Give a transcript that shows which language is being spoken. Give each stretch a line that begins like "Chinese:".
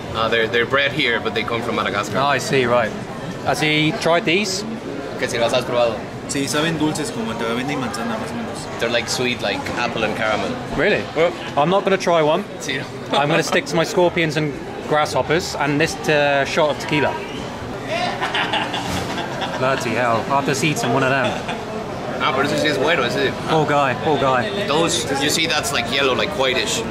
English: They're bred here, but they come from Madagascar. Oh, I see, right. Has he tried these?
Spanish: que si las has probado. Sí, saben dulces como tamarindo y manzana más o menos.
English: They're like sweet, like apple and caramel. Really? Well, I'm not going to try one.
Spanish: Sí.
English: I'm going to stick to my scorpions and grasshoppers and this shot of tequila. Bloody hell, I've just eaten one of them.
Spanish: Ah, pero ese sí es bueno, ese.
English: Poor guy. Those, you see, that's like yellow, like whitish.